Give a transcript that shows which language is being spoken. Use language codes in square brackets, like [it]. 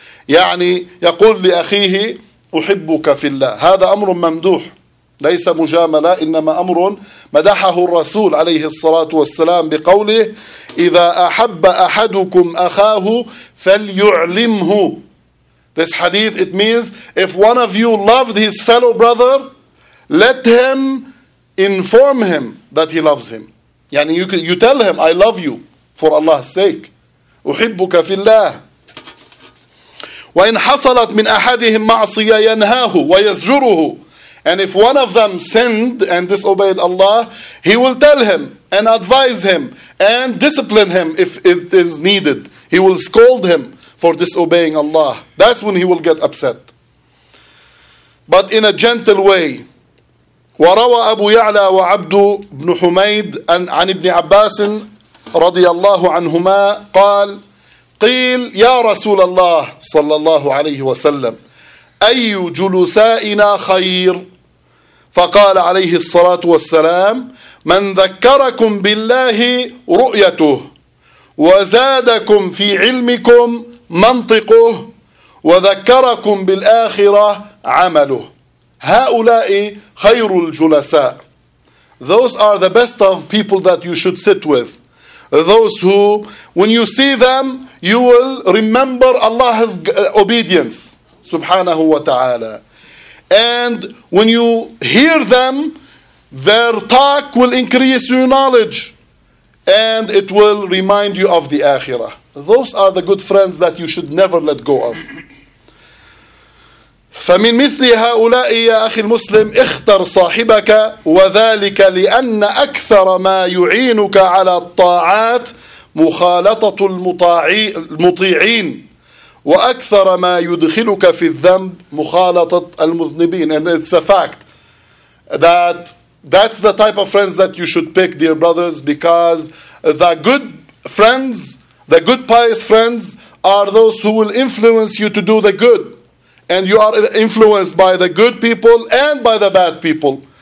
[ar] يعني يقول لأخيه أحبك في الله. هذا أمر ممدوح. ليس مجاملة، إنما أمر مدحه الرسول عليه الصلاة والسلام بقوله: إذا أحب أحدكم أخاه فليعلمه. [en] This hadith, it means if one of you loved his fellow brother, let him inform him that he loves him. [ar] يعني [en] you tell him, I love you for Allah's sake. [ar] أحبك في الله. وإن حصلت من أحدهم معصية ينهاه ويزجره. [en] And if one of them sinned and disobeyed Allah, he will tell him and advise him and discipline him if it is needed. He will scold him for disobeying Allah. That's when he will get upset. But in a gentle way. [ar] وروى أبو يعلى وعبد بن حميد عن ابن عباس رضي الله عنهما قال قيل يا رسول الله صلى الله عليه وسلم أي جلسائنا خير؟ فقال عليه الصلاة والسلام من ذكركم بالله رؤيته وزادكم في علمكم منطقه وذكركم بالآخرة عمله. هؤلاء خير الجلساء. [en] Those are the best of people that you should sit with. Those who, when you see them, you will remember Allah's obedience, subhanahu wa ta'ala. And when you hear them, their talk will increase your knowledge. And it will remind you of the akhirah. Those are the good friends that you should never let go of. [ar] فمن مثل هؤلاء يا أخي المسلم اختر صاحبك وذلك لأن أكثر ما يعينك على الطاعات مخالطة المطيعين وأكثر ما يدخلك في الذنب مخالطة المذنبين. [en] And it's a fact that that's the type of friends that you should pick, dear brothers, because the good friends, the good pious friends are those who will influence you to do the good. And you are influenced by the good people and by the bad people.